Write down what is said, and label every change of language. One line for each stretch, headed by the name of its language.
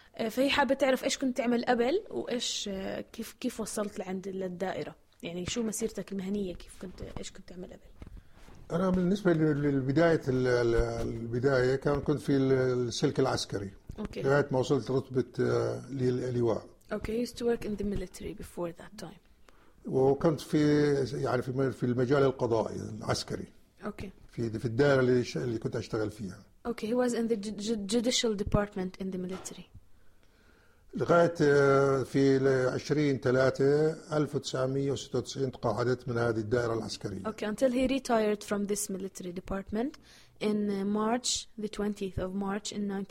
Arabic: فهي حابة تعرف ايش كنت تعمل قبل وايش كيف وصلت لعند الدائرة يعني شو مسيرتك المهنية كيف كنت ايش كنت تعمل قبل انا بالنسبة للبداية البداية كان كنت في السلك العسكري
English: Okay.
Arabic: لغاية ما وصلت رتبة اللواء.
English: Okay, you used to work in the military before that time.
Arabic: وكنت في يعني في المجال القضائي العسكري.
English: Okay.
Arabic: في الدائرة اللي كنت أشتغل فيها.
English: Okay, he was in the judicial department in the military.
Arabic: لغاية في 20/3/1996 تقاعدت من هذه الدائرة العسكرية.
English: Okay, until he retired from this military department. In March, the 20th of March in